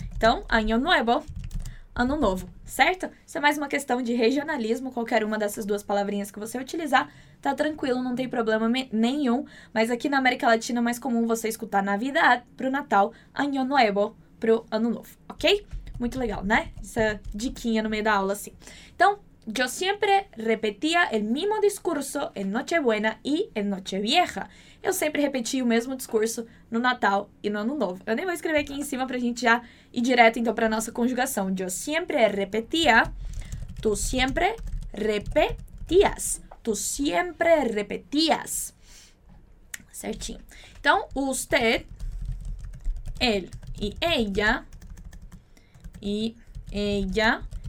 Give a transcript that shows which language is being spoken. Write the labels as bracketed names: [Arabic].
[Portuguese] Então, Año Nuevo, ano novo, certo? Isso é mais uma questão de regionalismo, qualquer uma dessas duas palavrinhas que você utilizar, tá tranquilo, não tem problema nenhum. Mas aqui na América Latina é mais comum você escutar Navidad pro Natal, Año Nuevo pro ano novo, ok? Muito legal, né? Essa diquinha no meio da aula, assim. [Spanish] Então, yo siempre repetía el mismo discurso en Nochebuena y en Nochevieja. [Portuguese] Eu sempre repeti o mesmo discurso no Natal e no Ano Novo. Eu nem vou escrever aqui em cima pra gente já ir direto, então, pra nossa conjugação. [Spanish] Yo siempre repetía, tú siempre repetías. Tú siempre repetías. Certinho. Então, usted, él y ella, y ella...